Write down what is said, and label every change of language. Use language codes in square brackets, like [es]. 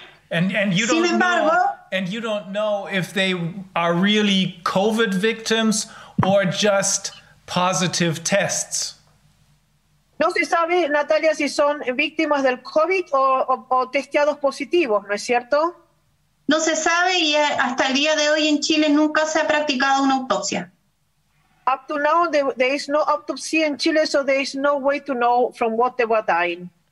[en] And you don't know if they are really COVID victims or just positive tests. [es] No se sabe, Natalia, si son víctimas del COVID o testeados positivos, ¿no es cierto? No se sabe y hasta el día de hoy en Chile nunca se ha practicado una autopsia. [en] Up to now, there is no autopsy in Chile, so there is no way to know from what they were dying.